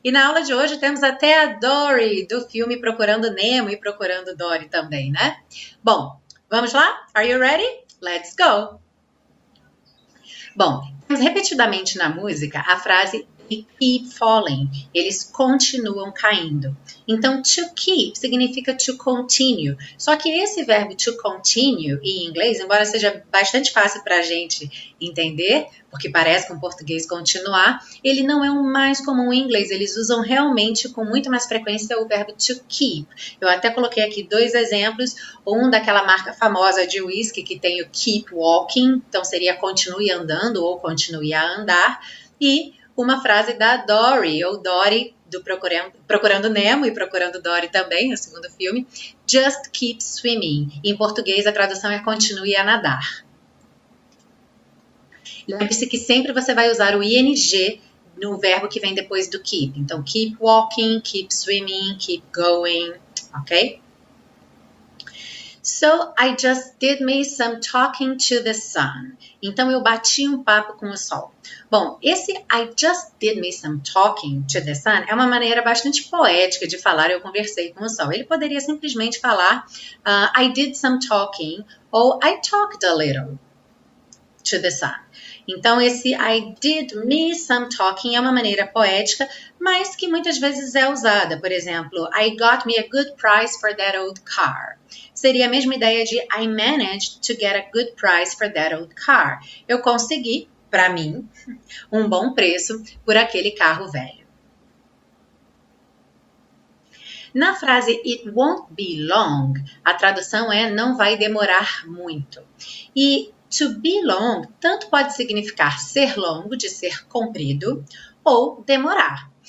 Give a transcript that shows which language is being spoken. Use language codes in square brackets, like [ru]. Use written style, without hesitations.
[pt] E na aula de hoje temos até a Dory do filme Procurando Nemo e Procurando Dory também, né? Bom, vamos lá? [en] Are you ready? Let's go! [pt] Bom, temos repetidamente na música a frase [en] they keep falling, [pt] eles continuam caindo. Então, to keep significa to continue. Só que esse verbo to continue em inglês, embora seja bastante fácil para a gente entender, porque parece com o português continuar, ele não é o mais comum em inglês. Eles usam realmente com muito mais frequência o verbo to keep. Eu até coloquei aqui dois exemplos, um daquela marca famosa de whisky que tem o [en] keep walking, [pt] então seria continue andando ou continue a andar, e uma frase da Dory, ou Dory, do Procurando Nemo e Procurando Dory também, no segundo filme, [en] Just Keep Swimming. [pt] Em português, a tradução é continue a nadar. Lembre-se que sempre você vai usar o ing no verbo que vem depois do keep. [en] Então, keep walking, keep swimming, keep going, ok? So I just did me some talking to the sun. [pt] Então eu bati um papo com o sol. Bom, esse [en] I just did me some talking to the sun [pt] é uma maneira bastante poética de falar eu conversei com o sol. Ele poderia simplesmente falar [en] I did some talking [pt] ou [en] I talked a little to the sun. [pt] Então esse [en] I did me some talking [pt] é uma maneira poética, mas que muitas vezes é usada. Por exemplo, [en] I got me a good price for that old car. [pt] Seria a mesma ideia de [en] I managed to get a good price for that old car. [pt] Eu consegui, para mim, um bom preço por aquele carro velho. Na frase [en] it won't be long, [pt] a tradução é não vai demorar muito. E to be long tanto pode significar ser longo, de ser comprido, ou demorar.